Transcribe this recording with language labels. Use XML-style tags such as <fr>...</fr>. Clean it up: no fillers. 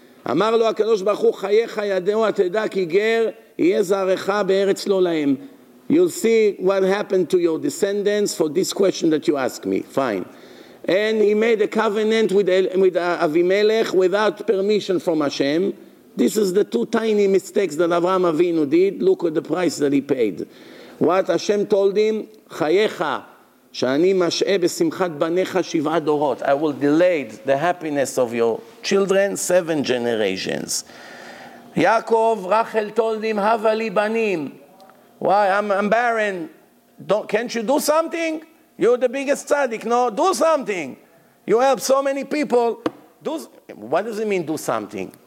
<he>אמר לו הקדוש ברוך הוא חייך ידעו תדע כי גר יהיה זרעך בארץ לא להם.</he> <en>You'll see what happened to your descendants for this question that you ask me. Fine. And he made a covenant with Avimelech without permission from Hashem. This is the two tiny mistakes that Avraham Avinu did. Look at the price that he paid. What Hashem told him,</en> <he>חייך שאני משעה בשמחת בניך שבעה דורות.</he> <en>I will delay the happiness of your children, 7 generations. Yaakov, Rachel told him,</en> <he>Hava li banim.</he> <en>Why? I'm barren. Can't you do something? You're the biggest tzaddik. No, do something. You help so many people. What does it mean, do something?</en>